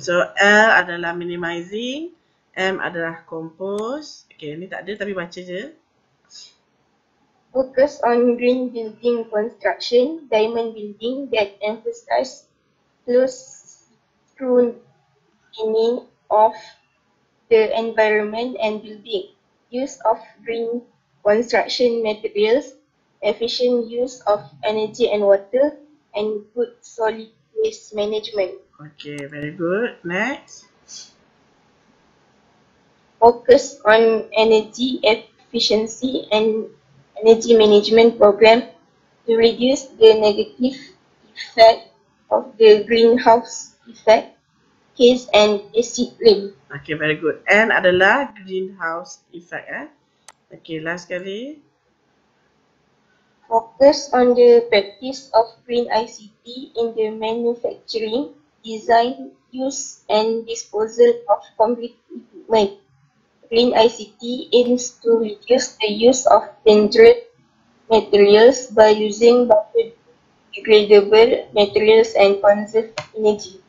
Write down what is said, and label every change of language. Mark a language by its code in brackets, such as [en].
[ms] So L adalah minimizing, M adalah compost. Okay, ni tak ada tapi baca je. [en] Focus on green building construction, diamond building that emphasize close meaning of the environment and building, use of green construction materials, efficient use of energy and water, and good solid waste management. Okay, very good. Next. Focus on energy efficiency and energy management program to reduce the negative effect of the greenhouse effect, haze and acid rain. Okay, very good. [ms] N adalah greenhouse effect. [en] Okay, last kali. Focus on the practice of green ICT in the manufacturing, design, use and disposal of complete equipment. Green ICT aims to reduce the use of dangerous materials by using biodegradable materials and conserve energy.